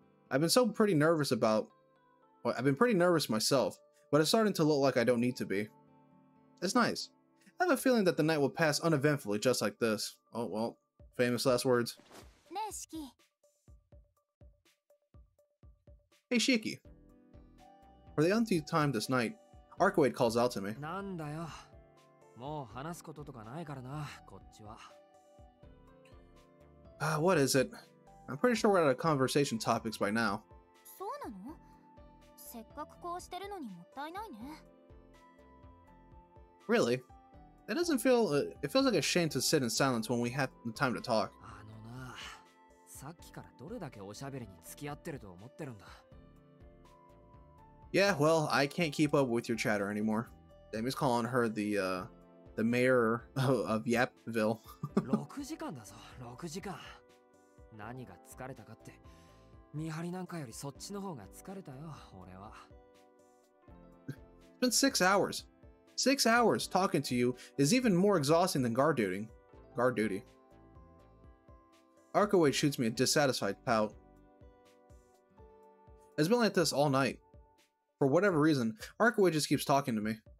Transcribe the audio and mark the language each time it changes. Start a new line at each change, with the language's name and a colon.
English: I've been pretty nervous myself, but it's starting to look like I don't need to be. It's nice. I have a feeling that the night will pass uneventfully just like this. Oh, well, famous last words. Hey, Shiki. Hey, Shiki. For the umpteenth time this night,Arkwright calls out to me.
Japanese: なんだよ。もう話すこととかないからな、こっちは。
English: What is it? I'm pretty sure we're out of conversation topics by now.
Japanese: そうなの？せっかくこうしてるのにもったいないね。
English: Really? That doesn't feel... It feels like a shame to sit in silence when we have the time to talk.
Japanese: あのな、さっきからどれだけおしゃべりに付き合ってると思ってるんだ。
English: Yeah, well, I can't keep up with your chatter anymore. Demi's calling her the mayor of Yapville.
Japanese: 6時間だぞ、6時間。何が疲れたかって、見張りなんかよりそっちの方が疲れたよ、俺は。
English: It's been 6 hours. 6 hours talking to you is even more exhausting than guard duty. Arkwright shoots me a dissatisfied pout. It's been like this all night. For whatever reason, Arkway just keeps talking to me.